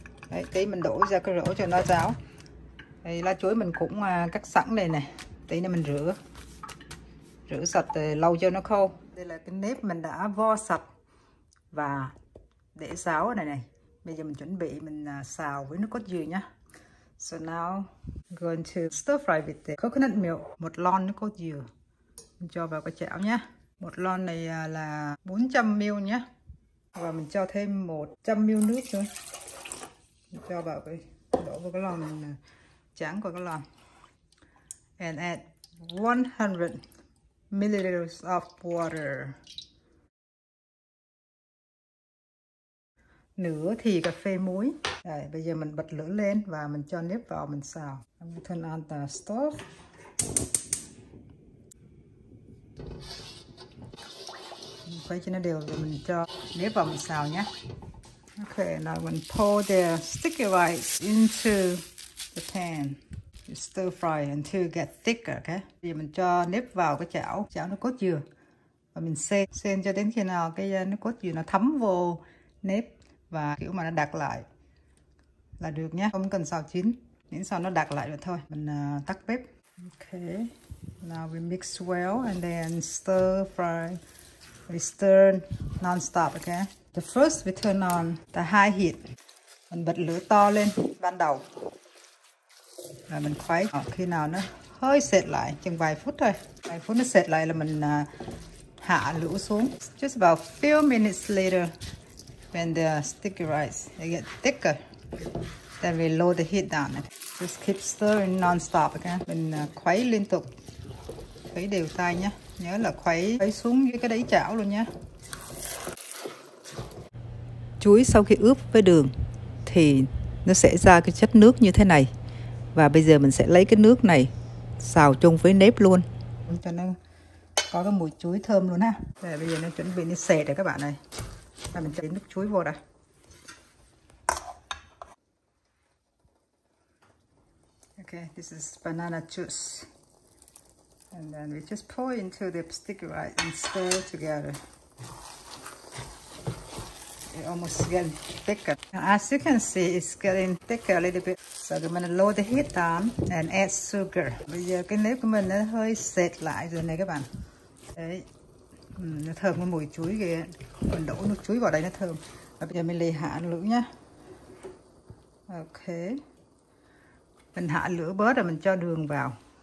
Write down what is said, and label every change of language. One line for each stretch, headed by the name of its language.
Vietnamese: Đấy, tí mình đổ ra cái rổ cho nó ráo. Đây, lá chuối mình cũng cắt sẵn đây này, tí nữa mình rửa sạch lau cho nó khô. Đây là cái nếp mình đã vo sạch và để ráo ở đây này. Bây giờ mình chuẩn bị mình xào với nước cốt dừa nhé.
English: So now going to stir fry with the coconut milk.
Vietnamese: Một lon nước cốt dừa mình cho vào cái chảo nhé. Một lon này là 400ml nhé. Và mình cho thêm 100ml nước thôi. Mình cho vào cái, đổ vào cái lon này, tráng của cái lon.
English: And add 100ml of water.
Vietnamese: Nửa thìa cà phê muối. Đây, bây giờ mình bật lửa lên và mình cho nếp vào mình xào.
English: I'm gonna turn on the stove.
Vietnamese: Khuấy cho nó đều rồi mình cho nếp vào mình xào nhé.
English: Okay, now I'm gonna pour the sticky rice into the pan. You stir fry until it gets thicker, okay?
Vietnamese: Bây giờ mình cho nếp vào cái chảo nước cốt dừa. Và mình xem cho đến khi nào cái nước cốt dừa nó thấm vô nếp và kiểu mà nó đặc lại là được nhé, không cần xào chín, miễn sao nó đặc lại được thôi. Mình tắt bếp.
English: Okay, now we mix well and then stir fry. We stir non-stop, okay? The first we turn on the high heat.
Vietnamese: Mình bật lửa to lên ban đầu và mình khuấy khi nào nó hơi sệt lại, chừng vài phút thôi. Vài phút nó sệt lại là mình hạ lửa xuống.
English: Just about few minutes later, when the sticky rice they get thicker, then we lower the heat down. Just keep stirring non-stop, okay?
Vietnamese: Mình khuấy liên tục, khuấy đều tay nhé. Nhớ là khuấy xuống với cái đáy chảo luôn nhé. Chuối sau khi ướp với đường thì nó sẽ ra cái chất nước như thế này. Và bây giờ mình sẽ lấy cái nước này xào chung với nếp luôn cho nó có cái mùi chuối thơm luôn ha. Đây, bây giờ nó chuẩn bị nó sệt rồi các bạn ơi. Và mình cho nước chuối vô đây.
English: Okay, this is banana juice. And then we just pour into the sticky rice and stir together. It almost getting thicker. As you can see, it's getting thicker a little bit. So I'm gonna lower the heat down and add sugar.
Vietnamese: Bây giờ cái nếp của mình nó hơi sệt lại rồi này các bạn. Đấy. Nó thơm cái mùi chuối kìa. Mình đổ nước chuối vào đây nó thơm. Và bây giờ mình lấy hạ lửa nhá. Ok. Mình hạ lửa bớt rồi mình cho đường vào.